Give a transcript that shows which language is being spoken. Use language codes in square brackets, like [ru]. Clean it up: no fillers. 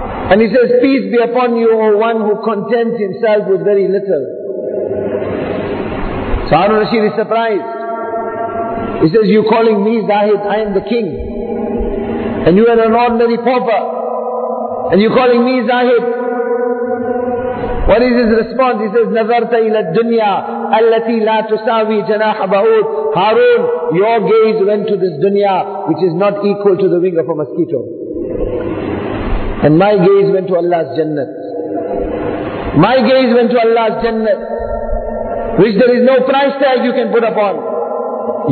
[en] And he says, peace be upon you, O one who contents himself with very little. So Harun Rashid is surprised. He says, you calling me Zahid? I am the king. And you are an ordinary pauper. And you calling me Zahid? What is his response? He says, [ar] نَذَرْتَ إِلَى الدُّنْيَا أَلَّتِي لَا تُسَاوِي جَنَاحَ بَعُودٍ. [en] Harun, your gaze went to this dunya, which is not equal to the wing of a mosquito. And my gaze went to Allah's Jannat. My gaze went to Allah's Jannat, which there is no price tag you can put upon.